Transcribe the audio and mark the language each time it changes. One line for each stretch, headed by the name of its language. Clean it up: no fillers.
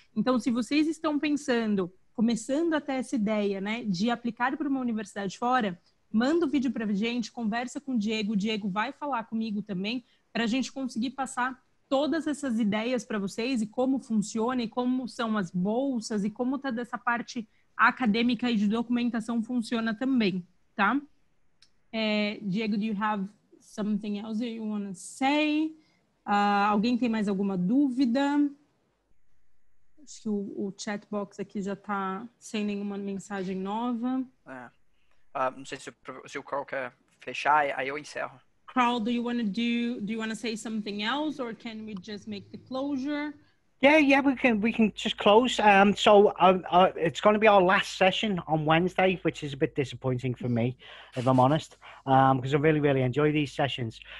Portuguese: Então, se vocês estão pensando, começando até essa ideia, né, de aplicar para uma universidade fora, manda o vídeo para a gente, conversa com o Diego vai falar comigo também, para a gente conseguir passar todas essas ideias para vocês e como funciona e como são as bolsas e como está dessa parte acadêmica e de documentação funciona também, tá?
English: É, Diego, do you have something else you want to say?
Portuguese: Alguém tem mais alguma dúvida? Acho que o chat box aqui já está sem nenhuma mensagem nova. Não sei se o Carl quer fechar, aí eu encerro.
English: Carl, do you want to say something else, or can we just make the closure? Yeah, we can just close. It's going to be our last session on Wednesday, which is a bit disappointing for me, if I'm honest, because I really, really enjoy these sessions.